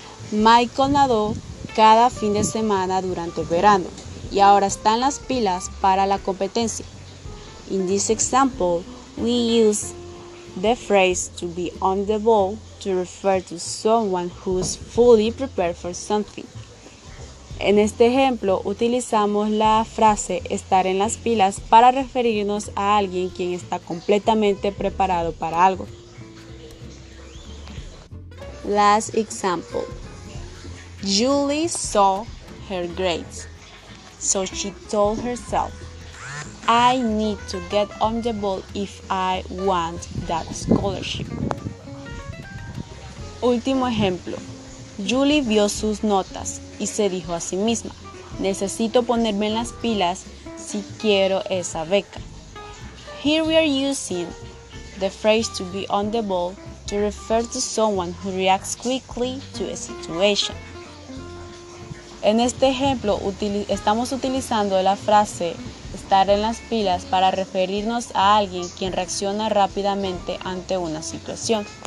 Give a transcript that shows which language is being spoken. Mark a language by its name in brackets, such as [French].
[Spanish] Michael nadó cada fin de semana durante el verano y ahora están las pilas para la competencia. [English] In this example, we use the phrase to be on the ball to refer to someone who is fully prepared for something. [Spanish] En este ejemplo, utilizamos la frase estar en las pilas para referirnos a alguien quien está completamente preparado para algo. [English] Last example. Julie saw her grades, so she told herself, I need to get on the ball if I want that scholarship. [Spanish] Último ejemplo. Julie vio sus notas y se dijo a sí misma, necesito ponerme en las pilas si quiero esa beca. [English] Here we are using the phrase to be on the ball to refer to someone who reacts quickly to a situation. [Spanish] En este ejemplo, estamos utilizando la frase estar en las pilas para referirnos a alguien quien reacciona rápidamente ante una situación.